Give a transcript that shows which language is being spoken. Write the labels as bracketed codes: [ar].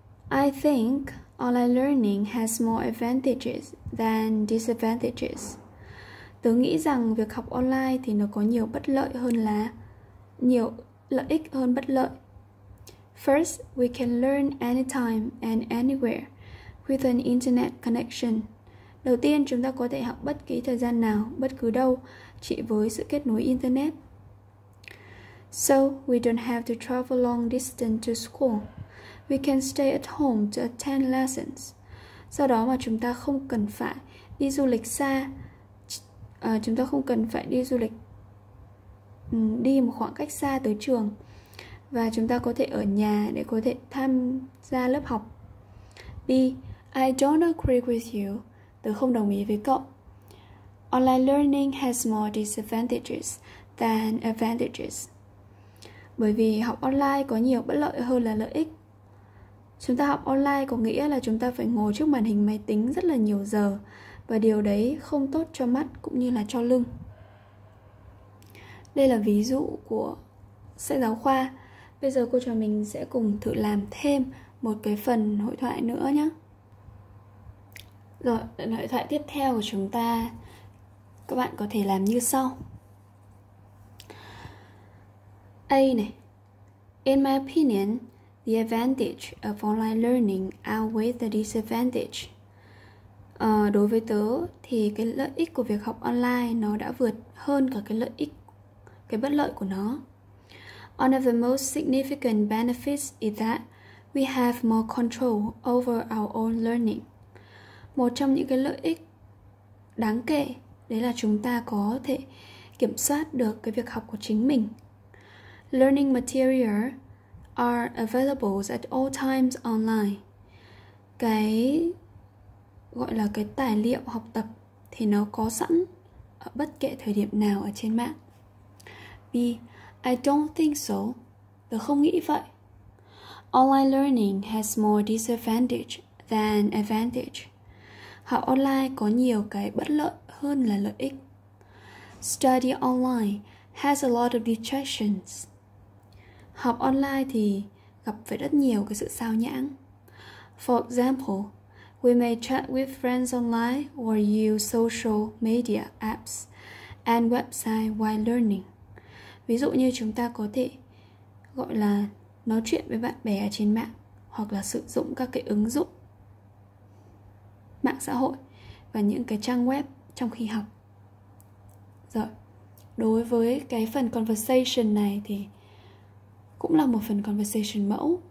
[en] I think online learning has more advantages than disadvantages. [vi] Tớ nghĩ rằng việc học online thì nó có nhiều bất lợi hơn là nhiều lợi ích hơn bất lợi. [en] First, we can learn anytime and anywhere with an internet connection. [vi] Đầu tiên, chúng ta có thể học bất kỳ thời gian nào, bất cứ đâu, chỉ với sự kết nối internet. [en] So, we don't have to travel long distance to school. We can stay at home to attend lessons. [vi] Do đó mà chúng ta không cần phải đi du lịch xa. Chúng ta không cần phải đi du lịch đi một khoảng cách xa tới trường. Và chúng ta có thể ở nhà để có thể tham gia lớp học. [en] B. I don't agree with you. [vi] Tớ không đồng ý với cậu. [en] Online learning has more disadvantages than advantages. [vi] Bởi vì học online có nhiều bất lợi hơn là lợi ích. Chúng ta học online có nghĩa là chúng ta phải ngồi trước màn hình máy tính rất là nhiều giờ. Và điều đấy không tốt cho mắt cũng như là cho lưng. Đây là ví dụ của sách giáo khoa. Bây giờ cô trò mình sẽ cùng thử làm thêm một cái phần hội thoại nữa nhé. Rồi, hội thoại tiếp theo của chúng ta, các bạn có thể làm như sau. A này. [en] In my opinion, the advantage of online learning outweighs the disadvantage. [vi] Đối với tớ thì cái lợi ích của việc học online nó đã vượt hơn cả cái lợi ích, cái bất lợi của nó. [en] One of the most significant benefits is that we have more control over our own learning. [vi] Một trong những cái lợi ích đáng kể đấy là chúng ta có thể kiểm soát được cái việc học của chính mình. [en] Learning material are available at all times online. [vi] Cái gọi là cái tài liệu học tập thì nó có sẵn ở bất kể thời điểm nào ở trên mạng. [en] B. I don't think so. [vi] Tớ không nghĩ vậy. [en] Online learning has more disadvantage than advantage. [vi] Học online có nhiều cái bất lợi hơn là lợi ích. [en] Study online has a lot of distractions. [vi] Học online thì gặp phải rất nhiều cái sự sao nhãng. [en] For example, we may chat with friends online or use social media apps and website while learning. [vi] Ví dụ như chúng ta có thể gọi là nói chuyện với bạn bè trên mạng hoặc là sử dụng các cái ứng dụng mạng xã hội và những cái trang web trong khi học. Rồi, đối với cái phần conversation này thì cũng là một phần conversation mẫu.